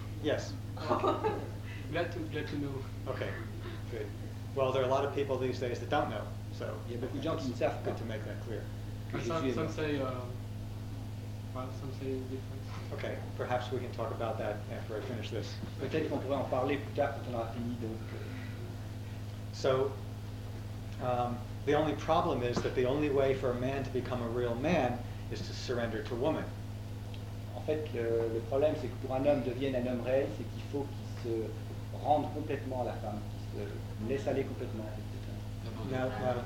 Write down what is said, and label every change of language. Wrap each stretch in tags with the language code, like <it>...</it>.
<en>Yes. Okay. Glad to know. Okay, good. Well, there are a lot of people these days that don't know, so yeah, but okay. It's good to make that clear. Some say different. Okay, perhaps we can talk about that after I finish this.</en> <fr>Peut-être qu'on pourrait en parler plus tard quand on aura fini, donc.</fr> <en>So the only problem is that the only way for a man to become a real man is to surrender to woman.</en> <fr>En fait, le problème c'est que pour un homme devienne un homme réel, c'est qu'il faut qu'il se rende complètement à la femme, qu'il se laisse aller complètement à la femme.</fr>